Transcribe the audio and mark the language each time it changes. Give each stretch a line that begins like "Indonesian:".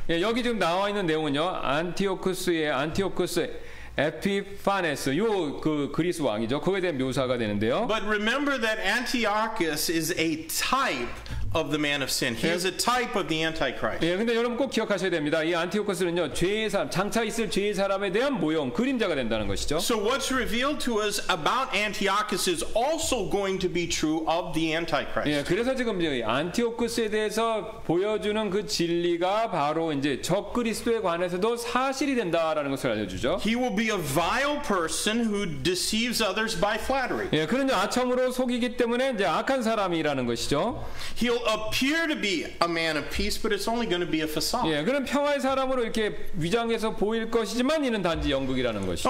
Korean: 예, 여기 지금 나와 있는 내용은요. 안티오쿠스의 안티오쿠스 에피파네스 요 그 그리스 왕이죠. 그거에 대한 묘사가 되는데요.
English: But remember that Antiochus is a type of the man of sin. He is a type of the Antichrist.
Korean: 예, 근데 여러분 꼭 기억하셔야 됩니다. 이 안티오코스는요, 죄의 사람, 장차 있을 죄의 사람에 대한 모형, 그림자가 된다는 것이죠.
English: So what's revealed to us about Antiochus is also going to be true of the Antichrist.
Korean: 예, 그래서 지금 이 안티오코스에 대해서 보여주는 그 진리가 바로 이제 적 그리스도에 관해서도 사실이 된다라는 것을 알려주죠.
English: He will be a vile person who deceives others by flattery.
Korean: 예, 그는 아첨으로 속이기 때문에 이제 악한 사람이라는 것이죠.
English: He'll appear to be a man of peace, but it's only going to be a facade.
Korean: 예, 그런 평화의 사람으로 이렇게 위장해서 보일 것이지만 이는 단지 연극이라는 것이죠.